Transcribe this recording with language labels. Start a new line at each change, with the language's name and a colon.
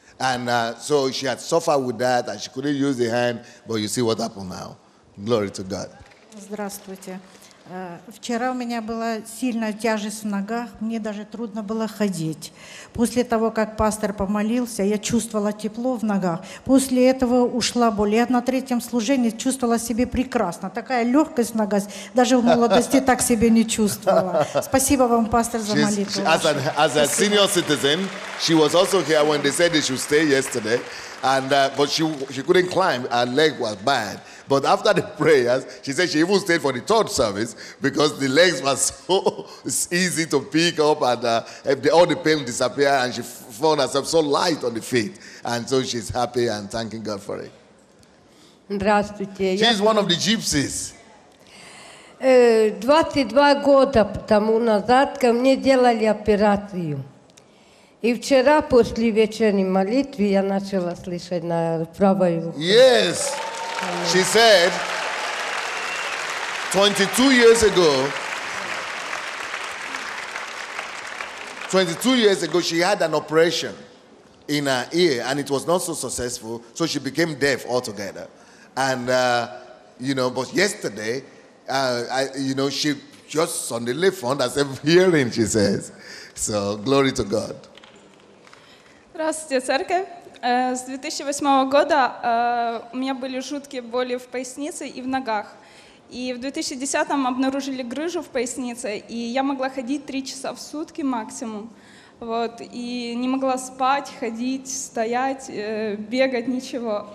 English: And so she had suffered with that, and she couldn't use the hand, but you see what happened now. Glory to God.
Russian: Здравствуйте. Вчера у меня была сильная тяжесть в ногах, мне даже трудно было ходить. После того, как пастор помолился, я чувствовала тепло в ногах. После этого ушла боль. Я на третьем служении чувствовала себя прекрасно. Такая легкость в ногах, даже в молодости так себя не чувствовала. Спасибо вам, пастор, за молитву.
English: As a senior citizen, she was also here when they said they should stay yesterday. And but she couldn't climb, her leg was bad. But after the prayers, she said she even stayed for the third service because the legs were so easy to pick up and all the pain disappeared and she found herself so light on the feet. And so she's happy and thanking God for it.
Russian: Здравствуйте.
English: She's one of the gypsies.
Russian: 22 года тому назад ко мне делали операцию. И вчера после вечерней молитвы я начала слышать на правой руке.
English: Yes. She said, 22 years ago, she had an operation in her ear and it was not so successful, so she became deaf altogether. And, you know, but yesterday, she just suddenly found herself hearing, she says. So, glory to God.
Russian: Здравствуйте, церковь. С 2008 года у меня были жуткие боли в пояснице и в ногах. И в 2010 обнаружили грыжу в пояснице, и я могла ходить 3 часа в сутки максимум. Вот, и не могла спать, ходить, стоять, бегать, ничего.